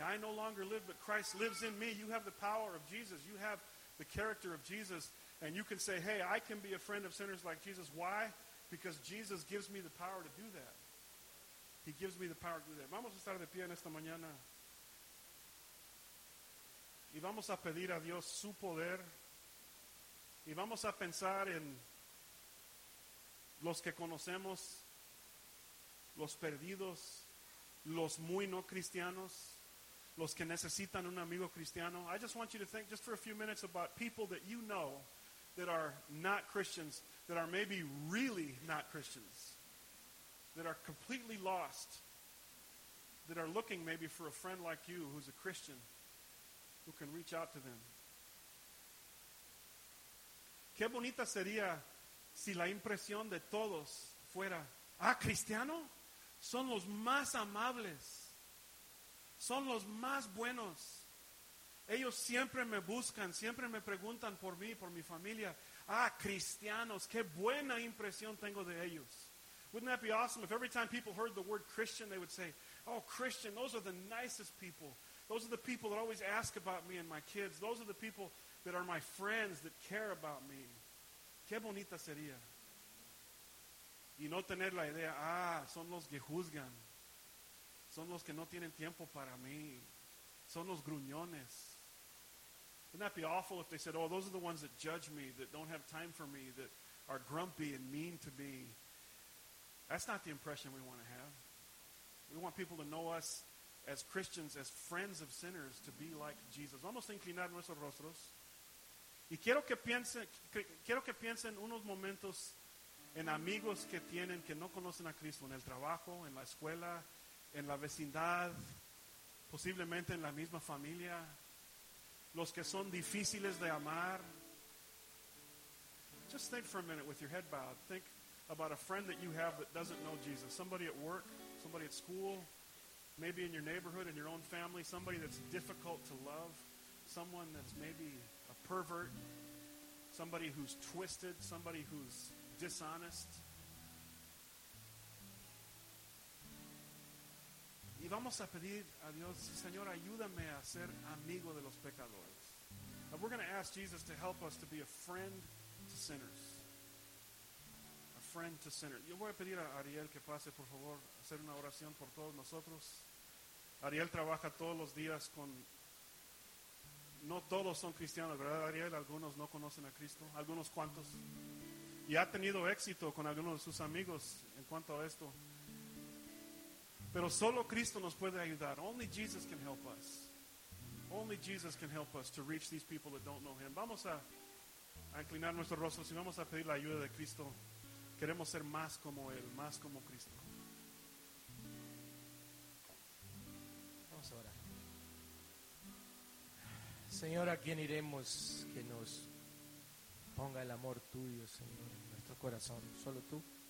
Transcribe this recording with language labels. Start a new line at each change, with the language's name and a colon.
English: I no longer live, but Christ lives in me. You have the power of Jesus. You have the character of Jesus. And you can say, hey, I can be a friend of sinners like Jesus. Why? Because Jesus gives me the power to do that. He gives me the power to do that.
Spanish: Vamos a estar de pie en esta mañana. Y vamos a pedir a Dios su poder. Y vamos a pensar en los que conocemos, los perdidos, los muy no cristianos, los que necesitan un amigo cristiano.
English: I just want you to think just for a few minutes about people that you know that are not Christians, that are maybe really not Christians, that are completely lost, that are looking maybe for a friend like you who's a Christian, who can reach out to them.
Spanish: Qué bonita sería si la impresión de todos fuera, ah, cristiano, son los más amables, son los más buenos. Ellos siempre me buscan, siempre me preguntan por mí, por mi familia. Ah, cristianos, qué buena impresión tengo de ellos.
English: Wouldn't that be awesome if every time people heard the word Christian, they would say, oh, Christian, those are the nicest people. Those are the people that always ask about me and my kids. Those are the people that are my friends that care about me.
Spanish: Qué bonita sería. Y no tener la idea, ah, son los que juzgan. Son los que no tienen tiempo para mí. Son los gruñones.
English: Wouldn't that be awful if they said, oh, those are the ones that judge me, that don't have time for me, that are grumpy and mean to me. That's not the impression we want to have. We want people to know us as Christians, as friends of sinners, to be like Jesus.
Spanish: Vamos a inclinar nuestros rostros. Y quiero que piensen unos momentos en amigos que tienen, que no conocen a Cristo, en el trabajo, en la escuela, en la vecindad, posiblemente en la misma familia, los que son difíciles de amar.
English: Just think for a minute with your head bowed. Think about a friend that you have that doesn't know Jesus. Somebody at work, somebody at school, maybe in your neighborhood, in your own family, somebody that's difficult to love, someone that's maybe a pervert, somebody who's twisted, somebody who's dishonest.
Spanish: Y vamos a pedir a Dios, Señor, ayúdame a ser amigo de los pecadores.
English: And we're going to ask Jesus to help us to be a friend to sinners. A friend to sinners.
Spanish: Yo voy a pedir a Ariel que pase, por favor, a hacer una oración por todos nosotros. Ariel trabaja todos los días con... No todos son cristianos, ¿verdad, Ariel? Algunos no conocen a Cristo. Algunos cuantos. Y ha tenido éxito con algunos de sus amigos en cuanto a esto. Pero solo Cristo nos puede ayudar.
English: Only Jesus can help us. Only Jesus can help us to reach these people that don't know him.
Spanish: Vamos a inclinar nuestros rostros y vamos a pedir la ayuda de Cristo. Queremos ser más como Él, más como Cristo. Vamos a orar. Señor, ¿a quién iremos que nos ponga el amor tuyo, Señor, en nuestro corazón? Solo tú.